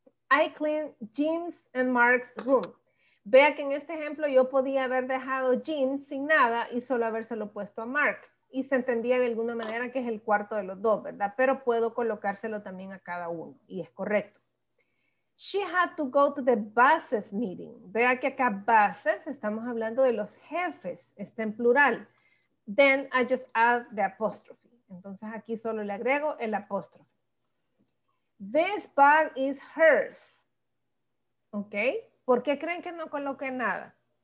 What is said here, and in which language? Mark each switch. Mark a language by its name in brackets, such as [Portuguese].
[English] I clean Jim's and Mark's room. [Spanish] Vea que en este ejemplo yo podía haber dejado Jean sin nada y solo habérselo puesto a Mark. Y se entendía de alguna manera que es el cuarto de los dos, ¿verdad? Pero puedo colocárselo también a cada uno y es correcto. [English] She had to go to the bosses meeting. [Spanish] Vea que acá bosses, estamos hablando de los jefes, está en plural. [English] Then I just add the apostrophe. [Spanish] Entonces aquí solo le agrego el apóstrofe. [English] This bag is hers. ¿Ok? [Spanish] ¿Por qué creen que no coloqué nada?